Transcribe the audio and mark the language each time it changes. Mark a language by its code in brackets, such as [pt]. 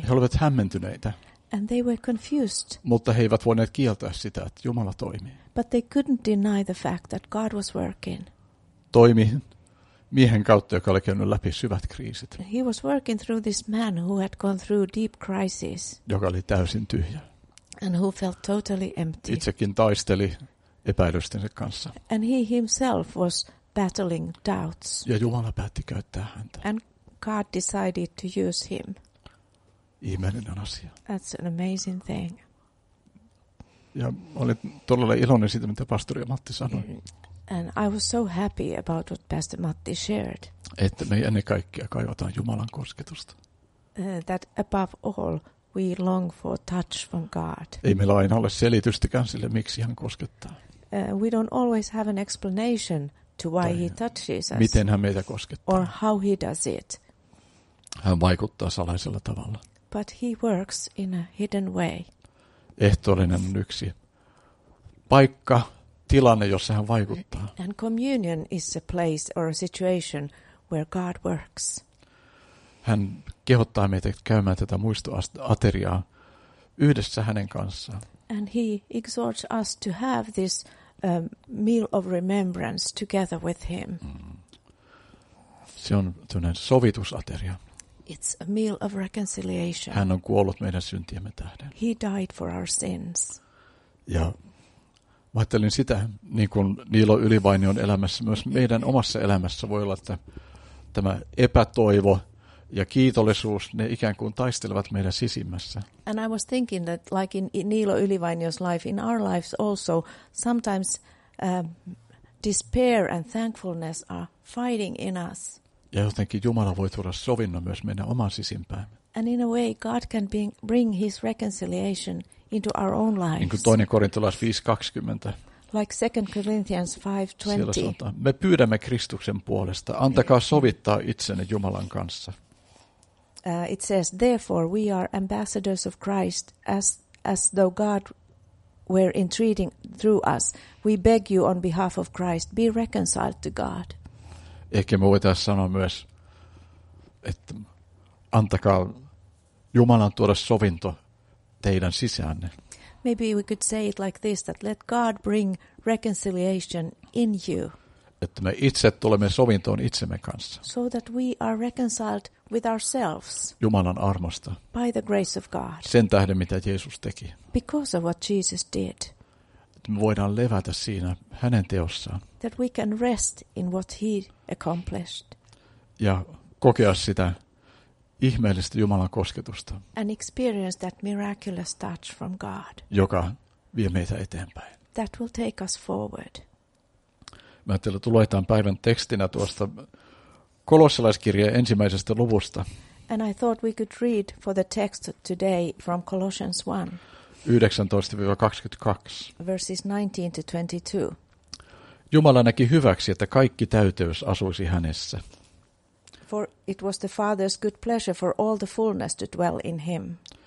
[fi] He olivat hämmentyneitä. [en] And they were confused. [fi] Mutta he eivät voineet kieltää sitä, että Jumala toimii. [en] But they couldn't deny the fact that God was working. [fi] Toimi miehen kautta, joka oli käynyt läpi syvät kriisit. [en] He was working through this man who had gone through deep crises. [fi] Joka oli täysin tyhjä. [en] And who felt totally empty. [fi] Itsekin taisteli epäilystensä kanssa. [en] And he himself was battling doubts. [fi] Ja Jumala päätti käyttää häntä. [en] And God decided to use him. [fi] Ihmeellinen asia. [en] That's an amazing thing. [fi] Ja olin todella iloinen siitä, mitä pastori Matti sanoi. [en] And I was so happy about what Pastor Matti shared. [fi] Että me ennen kaikkea kaivataan Jumalan kosketusta. [en] That above all, we long for touch from God. [fi] Ei meillä aina ole selitystäkään sille, miksi hän koskettaa. [en] We don't always have an explanation to why he touches us. [fi] Miten hän meitä koskettaa. [en] Or how he does it. [fi] Hän vaikuttaa salaisella tavalla. [en] But he works in a hidden way. [fi] Ehtoollinen on yksi paikka, tilanne, jossa hän vaikuttaa. [en] And communion is a place or a situation where God works. [fi] Hän kehottaa meitä käymään tätä muistoateriaa yhdessä hänen kanssaan. [en] And he exhorts us to have this meal of remembrance together with him. [fi] Se on tämmöinen sovitusateria. [en] It's a meal of reconciliation. [fi] Hän on kuollut meidän syntiemme tähden. [en] He died for our sins. [fi] Ja ajattelin sitä, niin kuin Niilo Ylivainion elämässä, myös meidän omassa elämässä voi olla, että tämä epätoivo ja kiitollisuus, ne ikään kuin taistelevat meidän sisimmässä. [en] And I was thinking that like in Niilo Ylivainio's life, in our lives also, sometimes despair and thankfulness are fighting in us. [fi] Ja jotenkin Jumala voi tuoda sovinnon myös meidän omaan sisimpäämme. [en] And in a way God can bring his reconciliation into our own lives. [fi] Niin kuin toinen korintolais 5:20. [en] Like 2 Corinthians 5:20. [fi] Siellä sanotaan, me pyydämme Kristuksen puolesta, antakaa sovittaa itsenne Jumalan kanssa. [en] It says, therefore we are ambassadors of Christ as though God were entreating through us. We beg you on behalf of Christ, be reconciled to God. [fi] Ehkä me voitaisiin sanoa myös, että antakaa Jumalan tuoda sovinto teidän sisäänne. [en] Maybe we could say it like this, that let God bring reconciliation in you. [fi] Että me itse tulemme sovintoon itsemme kanssa. [en] So that we are reconciled with ourselves. [fi] Jumalan armosta. [en] By the grace of God. [fi] Sen tähden, mitä Jeesus teki. [en] Because of what Jesus did. [fi] Me voidaan levätä siinä hänen teossaan. [en] That we can rest in what he accomplished. [fi] Ja kokea sitä ihmeellistä Jumalan kosketusta. [en] And experience that miraculous touch from God. [fi] Joka vie meitä eteenpäin. [en] That will take us forward. [fi] Mä ajattelin, että luetaan päivän tekstinä tuosta Kolossalaiskirjeen ensimmäisestä luvusta. [en] And I thought we could read for the text today from Colossians 1. 19-22. Verses 19-22. [fi] Jumala näki hyväksi, että kaikki täyteys asuisi hänessä. [en] For it was the Father's good pleasure for all the fullness to dwell in him.